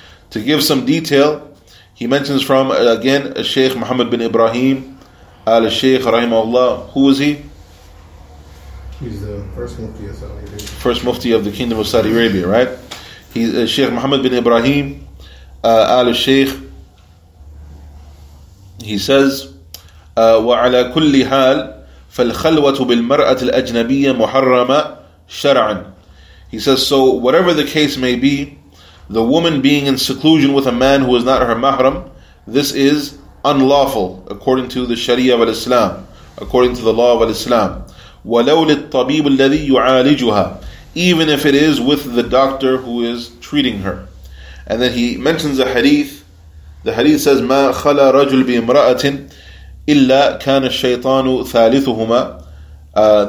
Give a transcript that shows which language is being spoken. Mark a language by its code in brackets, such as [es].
[en] To give some detail, he mentions from, again, Sheikh Muhammad bin Ibrahim, al-Sheikh, rahimahullah. Who is he? He's the first Mufti of Saudi Arabia. First Mufti of the Kingdom of Saudi Arabia, right? He's Sheikh Muhammad bin Ibrahim, al-Sheikh. He says, [ar] وَعَلَى كُلِّ حَالٍ فالخلوة بالمرأة الأجنبية محرمة شرعا. [en] He says, so whatever the case may be, the woman being in seclusion with a man who is not her mahram, this is unlawful according to the Sharia of Islam, according to the law of Islam. [ar] ولو للطبيب الذي يعالجها, [en] even if it is with the doctor who is treating her. And then he mentions a hadith. The hadith says, [ar] ما خلا رجل بامرأة إِلَّا كَانَ الشَّيْطَانُ ثَالِثُهُمَا.